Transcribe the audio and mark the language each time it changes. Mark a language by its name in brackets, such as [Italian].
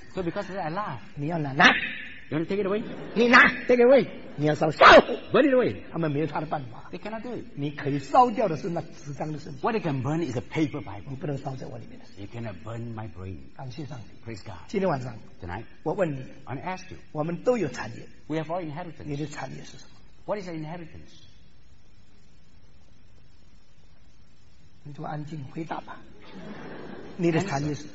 [English] So because of that, I laugh. [Chinese] 你要拿， [English] You want to take it away? [Chinese] 你拿 [English] take it away. [Chinese] 你要烧烧 [English] burn it away. [Chinese] 他们没有他的办法。 [English] They cannot do it. [Chinese] 你可以烧掉的是那纸张的圣经。 [English] What they can burn is a paper Bible. [Chinese] 你不能烧在我里面的。 [English] You cannot burn my brain. [Chinese] 感谢上帝。 [English] Praise God. [Chinese] 今天晚上 [English] tonight, [Chinese] 我问你 [English] ，I ask you, [Chinese] 我们都有产业。 [English] We have all inheritance. [Chinese] 你的产业是什么 [English] ？What is your inheritance? [Chinese] 你就安静回答吧。你的产业是